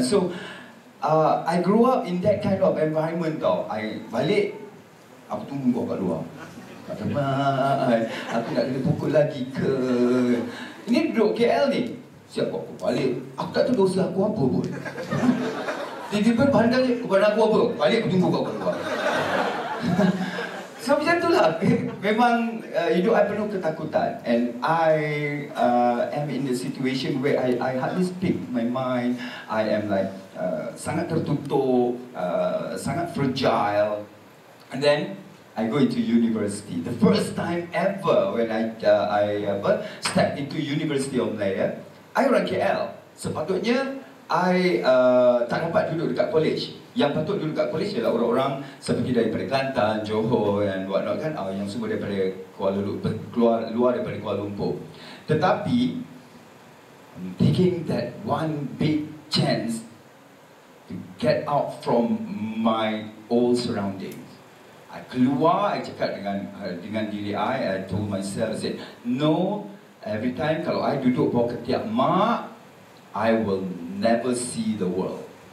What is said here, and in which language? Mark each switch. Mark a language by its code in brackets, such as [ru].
[en] So I grew up in that kind of environment [ms] tau. I balik, aku tunggu kau kat luar. Kat teman, aku nak kena pukul lagi ke? Ini duduk KL ni. Siapa aku balik? Aku tak tahu dosa aku apa pun. Tiba-tiba pandang je, kepada aku apa? Balik aku tunggu kau kat luar. [en] So [ms] macam tu lah. Memang hidup I penuh ketakutan. [en] And I am in the situation where I hardly speak my mind. I am like [ms] sangat tertutup, sangat [en] fragile. And then I go into university. The first time ever when I stepped into University of Malaya, I orang KL. [ms] Sepatutnya I tak dapat duduk dekat college. Yang patut duduk dekat college ialah orang-orang seperti daripada Kelantan, Johor [en] and what not [ms] kan, yang semua daripada Kuala Lumpur, luar daripada Kuala Lumpur. Tetapi [en] I'm taking that one big chance to get out from my old surroundings. [ms] I keluar, I cakap dengan diri [en] I told myself, I said, no, every time [ms] kalau I duduk bawah ketiak mak, [en] I will never see the world.